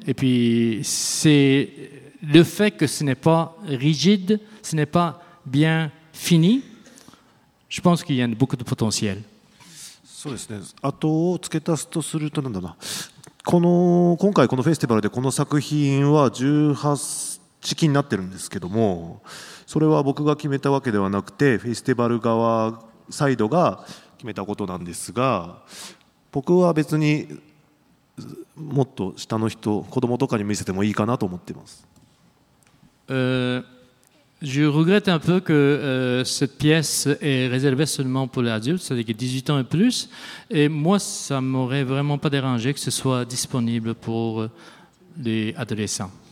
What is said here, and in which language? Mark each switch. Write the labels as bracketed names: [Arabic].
[French] Et puis c'est le fait que ce n'est pas rigide, ce n'est pas bien fini. Je pense qu'il y a beaucoup de potentiel. [Japanese] そうですね。あとを付け足すとするとなんだな。この今回このフェスティバルでこの作品は18式になってるんですけども、それは僕が決めたわけではなくて、フェスティバル側サイドが決めたことなんですが、僕は別にもっと下の人、子供とかに見せてもいいかなと思っています。 [French] Je regrette un peu que cette pièce est réservée seulement pour les adultes, c'est-à-dire 18 ans et plus. Et moi, ça ne m'aurait vraiment pas dérangé que ce soit disponible pour les adolescents.